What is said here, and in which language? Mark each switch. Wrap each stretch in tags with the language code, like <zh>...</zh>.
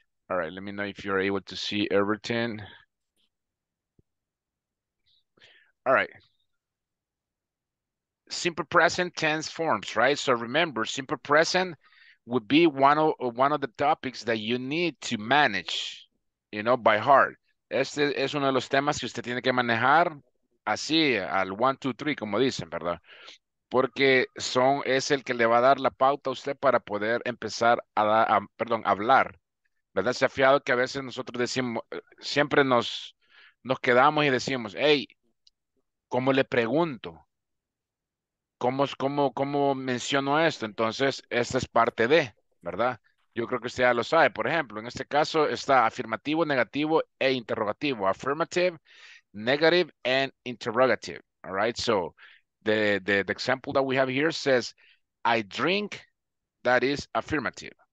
<en>All right, let me know if you're able to see everything. All right. Simple present tense forms, right? So remember, simple present would be one of the topics that you need to manage, you know, by heart.</en> <es>Este es uno de los temas que usted tiene que manejar así, al 1, 2, 3, como dicen, ¿verdad? Porque son, es el que le va a dar la pauta a usted para poder empezar a hablar, ¿verdad? Se ha fijado que a veces nosotros decimos, siempre nos quedamos y decimos, hey, ¿cómo le pregunto? ¿Cómo menciono esto? Entonces, esta es parte de, ¿verdad? Yo creo que usted ya lo sabe. Por ejemplo, en este caso está afirmativo, negativo e interrogativo.</es> <en>Affirmative, negative, and interrogative. All right? So, the example that we have here says, I drink, that is affirmative.</en>